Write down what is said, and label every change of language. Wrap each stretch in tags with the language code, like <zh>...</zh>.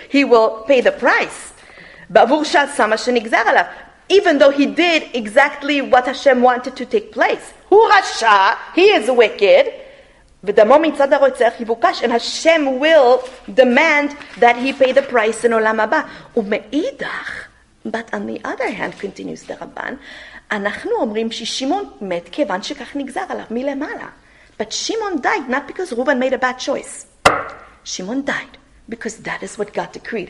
<en>He will pay the price.</en> <he>Bavur shal sama shenigzar alav.</he> <en>Even though he did exactly what Hashem wanted to take place.</en> <he>Hu rasha,</he> <en>he is wicked.</en> <he>V'damo mitzad ha-rotzeach yivukash.</he> <en>And Hashem will demand that he pay the price in olam haba.</en> <he>U'me'idach.</he> <en>But on the other hand, continues the Rabban,</en> <he>אנחנו אומרים ששימון מת כיוון שכך נגזר עליו מלמעלה.</he> <en>But Shimon died not because Reuven made a bad choice. Shimon died because that is what God decreed.</en>